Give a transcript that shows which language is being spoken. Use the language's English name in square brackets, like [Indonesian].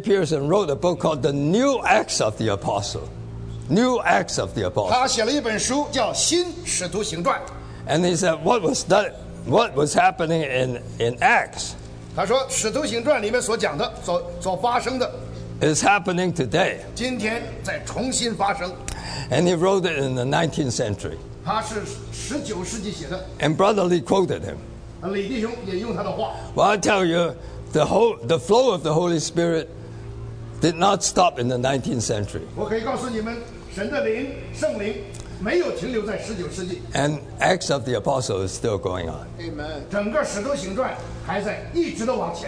[English] Pearson wrote a book called The New Acts of the Apostle. New Acts of the Apostle. [Chinese] 他写了一本书叫新使徒行传。 [English] And he said, what was that? What was happening in Acts? [Chinese] 他说使徒行传里面所讲的,所发生的, [English] is happening today. [Chinese] 今天在重新发生。 [English] And he wrote it in the 19th century. [Chinese] 他是19世纪写的, [English] and Brother Lee quoted him. [Chinese] 李弟兄也用他的话, [English] well, I tell you, the flow of the Holy Spirit did not stop in the 19th century. [Chinese] 我可以告诉你们, 神的灵, 圣灵没有停留在19世纪, [English] and Acts of the Apostles is still going on. Amen. [Chinese] 整个使徒行传还在一直地往前。